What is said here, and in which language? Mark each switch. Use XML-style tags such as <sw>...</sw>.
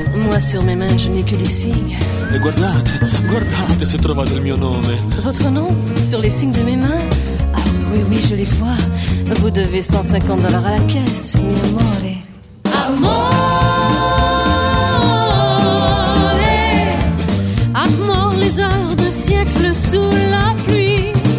<fr>Moi, sur mes mains, je n'ai que des signes.</fr> <it>E guardate, guardate se trovate il mio nome.</it> <fr>Votre nom? Sur les signes de mes mains? Ah, oui, oui, je les vois. Vous devez 150 dollars à la caisse,</fr> <it>mio amore. Amore!</it> <fr>Amore, les heures de siècle sous la pluie.</fr>